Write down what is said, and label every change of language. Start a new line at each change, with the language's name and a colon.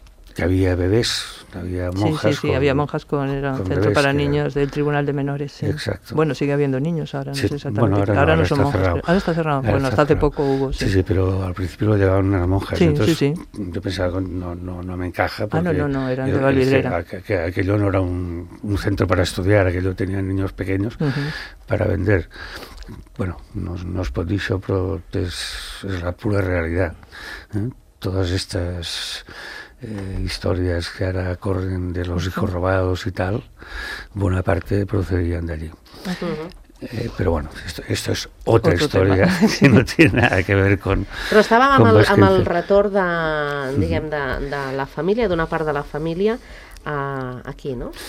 Catalan: Que havia bebès, havia monjas... Sí, sí, sí, havia monjas con... Era un centre per a niños del Tribunal de Menores, sí.
Spanish: Exacto. Bueno, sigue habiendo niños ahora, no sé exactamente. Bueno, ahora no son monjas. Ahora está cerrado. Bueno, hasta hace poco hubo, sí. Sí, pero al principio lo llevaban unas monjas. Sí, sí, sí. Yo pensaba, no me encaja, porque... Ah, no, eran de Vallvidrera. Aquello no era un centro para estudiar, aquello tenía niños pequeños para vender.
Catalan: Bueno, no es pot dir això, però és la pura realitat.
Spanish: Todas estas... historias que ahora corren de los hijos robados y tal, buena parte procedían de allí. Pero bueno, esto es otra historia que no tiene nada que ver con...
Catalan: Però estàvem amb el retorn de, diguem, de la família, d'una part de la família, aquí, no?